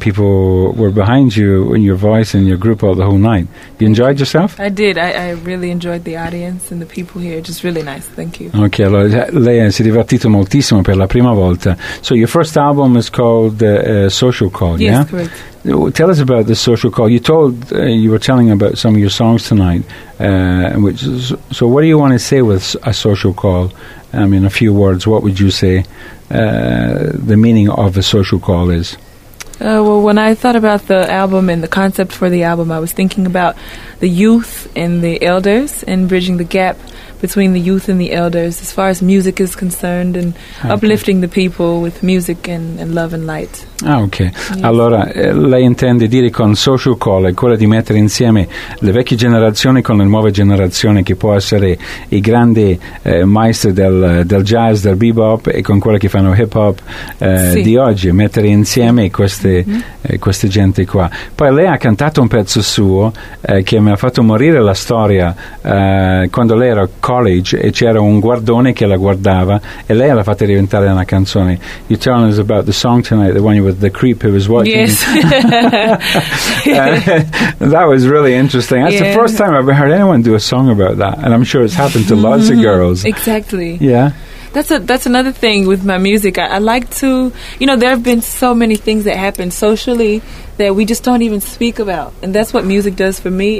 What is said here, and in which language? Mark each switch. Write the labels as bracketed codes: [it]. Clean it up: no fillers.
[en] People were behind you and your voice and your group all the whole night. You enjoyed yourself? I did. I really enjoyed the audience and the people here. Just really nice. Thank you. [it] Okay, allora, lei si è divertito moltissimo per la prima volta. [en] So your first album is called Social Call, yeah? Yes, correct. Tell us about the Social Call. You were telling about some of your songs tonight. So what do you want to say with a Social Call? I mean, a few words, what would you say the meaning of a Social Call is? Well, when I thought about the album and the concept for the album, I was thinking about the youth and the elders and bridging the gap between the youth and the elders as far as music is concerned, and okay, uplifting the people with music and love and light. Ah, ok. Yes. [it] Allora, lei intende dire con Social Call è quella di mettere insieme le vecchie generazioni con le nuove generazioni, che può essere i grandi maestri del jazz, del bebop, e con quelle che fanno hip hop sì, di oggi, mettere insieme queste, queste gente qua. Poi lei ha cantato un pezzo suo che mi ha fatto morire la storia, quando lei era college e c'era un guardone che la guardava e lei l'ha fatta diventare una canzone. [en] You're telling us about the song tonight, the one with the creep who was watching. Yes. That was really interesting. That's yeah, the first time I've heard anyone do a song about that, and I'm sure it's happened to lots of girls. Exactly. Yeah. That's another thing with my music. I like to, you know, there have been so many things that happen socially that we just don't even speak about, and that's what music does for me.